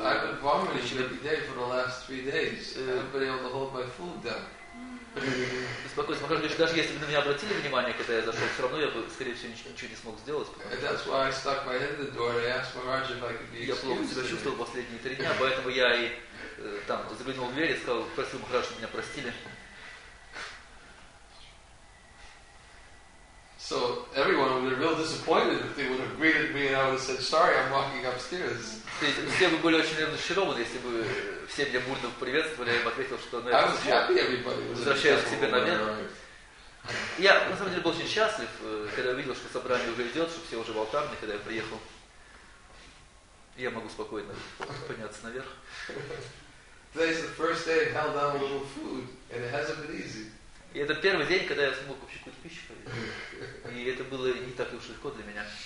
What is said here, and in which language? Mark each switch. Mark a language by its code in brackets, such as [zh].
[en] I've been vomiting every day for the last 3 days. I've been able to hold my food down. [ru] Успокойся, Махараджу, даже если бы на меня обратили внимание, когда я зашел, все равно я бы, скорее всего, ничего не смог сделать. [en] And that's why I stuck my head in the door and asked Махараджу if I could be excused. [ru] Я плохо себя чувствовал последние 3 дня, поэтому я и там заглянул в дверь и сказал, просил Махараджу, чтобы меня простили. [en] So everyone would have been real disappointed if they would have greeted me and I would have said, sorry, I'm walking upstairs. [ru] Все бы были очень разочарованы, если бы все меня бурно приветствовали, я бы ответил, что на это все. Возвращаюсь к себе на мир. Я, на самом деле, был очень счастлив, когда увидел, что собрание уже идет, что все уже в алтарне, когда я приехал. Я могу спокойно подняться наверх. [en] Today is the first day I held down a little food, and it hasn't been easy. [ru] И это первый день, когда я смог вообще какую-то пищу ходить. И это было не так уж легко для меня.